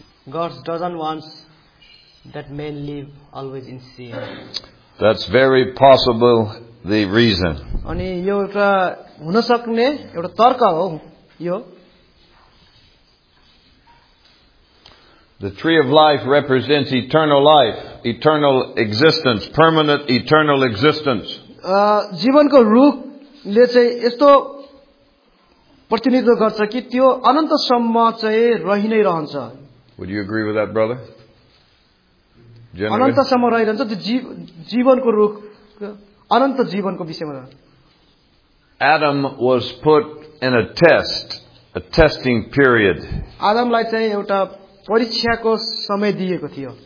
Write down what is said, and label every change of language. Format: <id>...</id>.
<en>God doesn't want that man live always in sin. That's very possible the reason.</en> <ne>अनि यो एउटा हुन सक्ने एउटा तर्क हो यो</ne> <en>The tree of life represents eternal life, eternal existence, permanent eternal existence.</en> <ne>जीवनको रुखले चाहिँ यस्तो प्रतिनिधित्व गर्छ कि त्यो अनन्तसम्म चाहिँ रहि नै रहन्छ</ne> <en>Would you agree with that, brother?</en> <ne>अनन्तसम्म रहिरहन्छ त्यो जीवनको रुख अनन्त जीवनको विषयमा</ne> <en>Adam was put in a test, a testing period.</en> <ne>आदमलाई चाहिँ एउटा परीक्षाको समय दिएको थियो</ne>